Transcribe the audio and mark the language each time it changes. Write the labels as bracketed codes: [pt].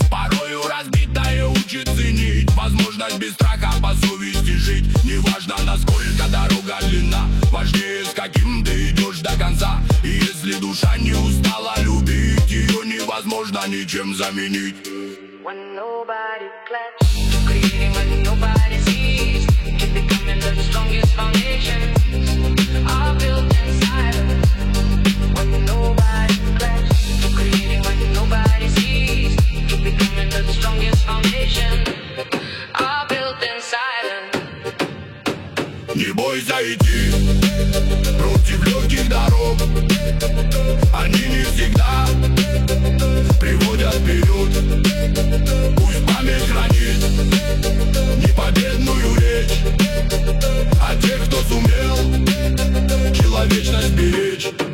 [ru] Порою разбитое учит ценить возможность без страха по совести жить. Не важно, насколько дорога длинна, важнее, с каким ты идешь до конца. И если душа не устала любить, ее невозможно ничем заменить. [en] When nobody claps, creating when nobody sees, keep becoming the strongest foundation. All built in silence. When nobody claps, creating when nobody sees, keep becoming the strongest foundation. All built in silence. [ru] Не бойся идти против легких дорог, они не всегда приводят вперед. Пусть память хранит не победную речь, а тех, кто сумел человечность беречь.